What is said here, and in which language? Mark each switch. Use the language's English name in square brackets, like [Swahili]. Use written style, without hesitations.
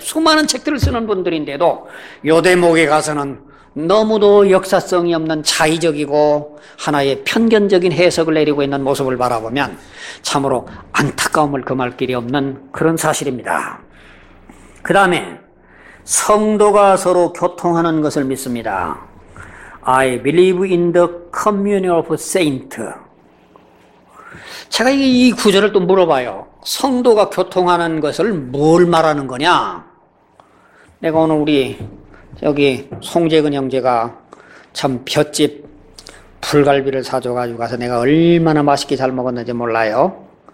[Korean] 수많은 책들을 쓰는 분들인데도 요 대목에 가서는 너무도 역사성이 없는 차이적이고 하나의 편견적인 해석을 내리고 있는 모습을 바라보면 참으로 안타까움을 금할 길이 없는 그런 사실입니다. 그 다음에 성도가 서로 교통하는 것을 믿습니다. [English] I believe in the communion of saints. [Korean] 제가 이 구절을 또 물어봐요. 성도가 교통하는 것을 뭘 말하는 거냐? 내가 오늘 우리 여기 송재근 형제가 참 볏짚 불갈비를 사줘가지고 가서 내가 얼마나 맛있게 잘 먹었는지 몰라요.